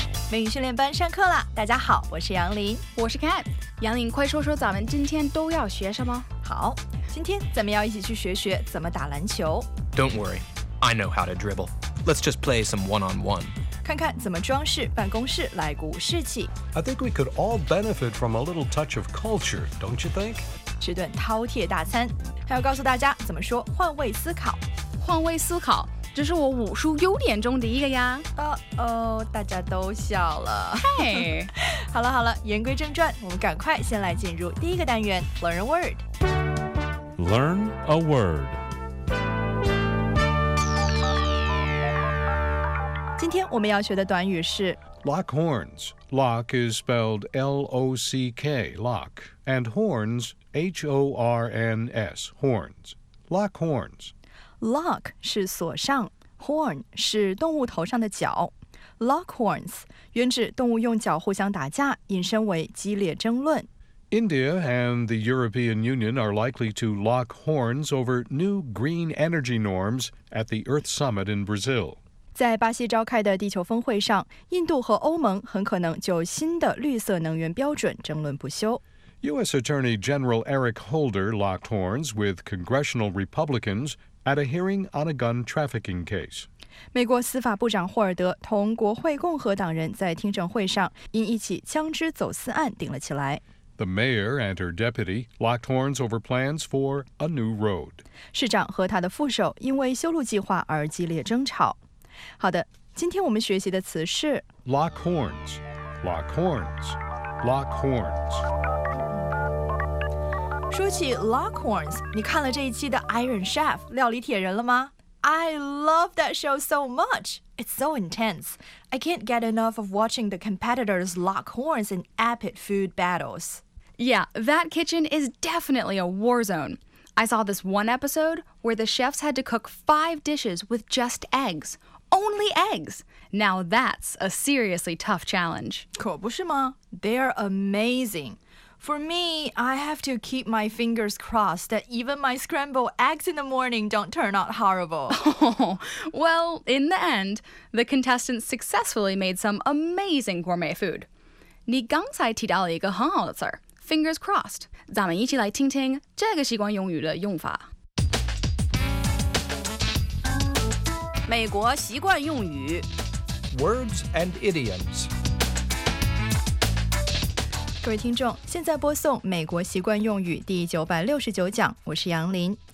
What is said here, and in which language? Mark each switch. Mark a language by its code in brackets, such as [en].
[zh] 美语训练班上课了，大家好，我是杨林，我是 Cat。杨林，快说说咱们今天都要学什么。好，今天咱们要一起去学学怎么打篮球。 [en] Don't worry, I know how to dribble. Let's just play some one-on-one. [zh] 看看怎么装饰办公室来鼓士气。 [en] I think we could all benefit from a little touch of culture, don't you think? [zh] 吃顿饕餮大餐，还要告诉大家怎么说换位思考。换位思考，这是我武术优点中的一个呀。大家都笑了。嗨、hey. 好了好了，言归正传，我们赶快先来进入第一个单元 Learn a Word。 [en] Learn a Word。 [zh] 今天我们要学的短语是 [en] Lock horns. Lock is spelled L-O-C-K, lock, and horns, H-O-R-N-S, horns. Lock horns. [zh] Lock 是锁上， horn 是动物头上的角。 Lock horns 原指动物用角互相打架，引申为激烈争论。 [en] India and the European Union are likely to lock horns over new green energy norms at the Earth Summit in Brazil. [zh] 在巴西召开的地球峰会上，印度和欧盟很可能就新的绿色能源标准争论不休。 [en] U.S. Attorney General Eric Holder locked horns with congressional Republicans at a hearing on a gun trafficking case. [zh] 美国司法部长霍尔德同国会共和党人在听证会上因一起枪支走私案顶了起来。 [en] The mayor and her deputy locked horns over plans for a new road. [zh] 市长和他的副手因为修路计划而激烈争吵。好的，今天我们学习的词是 [en] lock horns, lock horns, lock horns. [zh] 说起 lock horns, 你看了这一期的 Iron Chef, 料理铁人了吗? [en] I love that show so much. It's so intense. I can't get enough of watching the competitors lock horns in epic food battles. Yeah, that kitchen is definitely a war zone. I saw this one episode where the chefs had to cook 5 dishes with just eggs. Only eggs. Now that's a seriously tough challenge. [zh] 可不是吗? [en] They're amazing. For me, I have to keep my fingers crossed that even my scrambled eggs in the morning don't turn out horrible. Oh, well, in the end, the contestants successfully made some amazing gourmet food. [zh] 你刚才提到了一个很好的词儿 fingers crossed. 咱们一起来听听这个习惯用语的用法。美国习惯用语 [en] Words and idioms. [zh] 各位听众，现在播送美国习惯用语第969讲，我是杨林，